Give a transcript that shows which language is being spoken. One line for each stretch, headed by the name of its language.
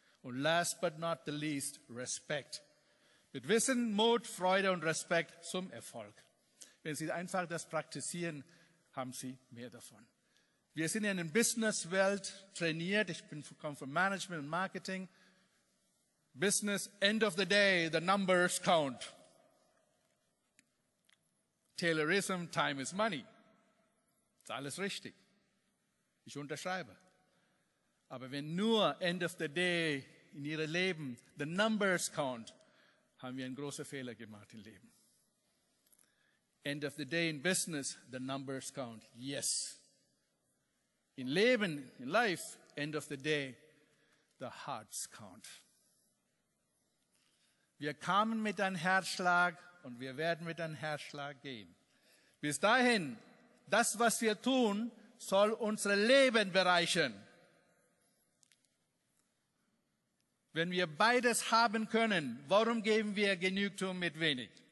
German: Und
English: last but not the least,
German: Respekt. Mit Wissen, Mut, Freude und Respekt zum Erfolg. Wenn Sie einfach das praktizieren, haben Sie mehr davon. Wir sind in einer Business-Welt trainiert. Ich komme von Management und Marketing.
English: Business, end of the day, the numbers count. Taylorism, time is money.
German: Ist alles richtig. Ich unterschreibe. Aber wenn nur
English: end of the day
German: in Ihrem Leben
English: the numbers count,
German: haben wir einen großen Fehler gemacht im Leben.
English: End of the day in business, the numbers count. Yes.
German: In Leben,
English: in life, end of the day, the hearts count.
German: Wir kamen mit einem Herzschlag und wir werden mit einem Herzschlag gehen. Bis dahin, das, was wir tun, soll unser Leben bereichern. Wenn wir beides haben können, warum geben wir Genugtuung mit wenig?